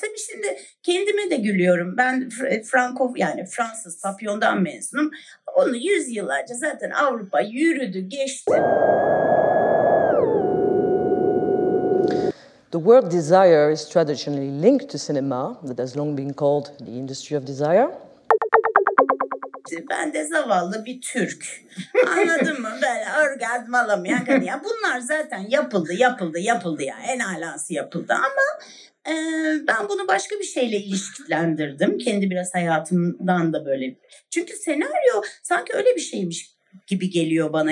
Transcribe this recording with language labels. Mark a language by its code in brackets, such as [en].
[tr] Tabii şimdi kendime de gülüyorum. Ben Fransız Papyon'dan mezunum. Onu yüzyıllarca zaten Avrupa yürüdü, geçti. [en] The word desire is traditionally linked to cinema, that has long been called the industry of desire. [tr] Ben de zavallı bir Türk. Anladın mı? Böyle orgazm alamayan kadın. Yani bunlar zaten yapıldı ya. En alası yapıldı ama ben bunu başka bir şeyle ilişkilendirdim. Kendi biraz hayatımdan da böyle. Çünkü senaryo sanki öyle bir şeymiş gibi geliyor bana.